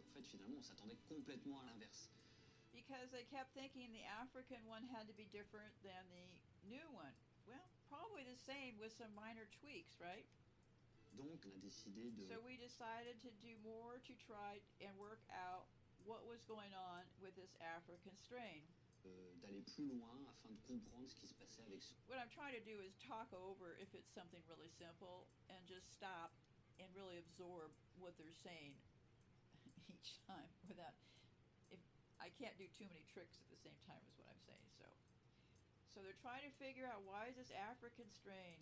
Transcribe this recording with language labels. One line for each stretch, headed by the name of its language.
French: En fait, finalement, on s'attendait complètement à l'inverse.
English: Because they kept thinking the African one had to be different than the new one. Well, probably the same with some minor tweaks, right?
French: Donc, on a décidé de...
English: So we decided to do more to try and work out what was going on with this African strain.
French: D'aller plus loin afin de comprendre ce qui se passait avec ce...
English: What I'm trying to do is talk over if it's something really simple and just stop and really absorb what they're saying each time without... If I can't do too many tricks at the same time is what I'm saying, so... So they're trying to figure out why is this African strain?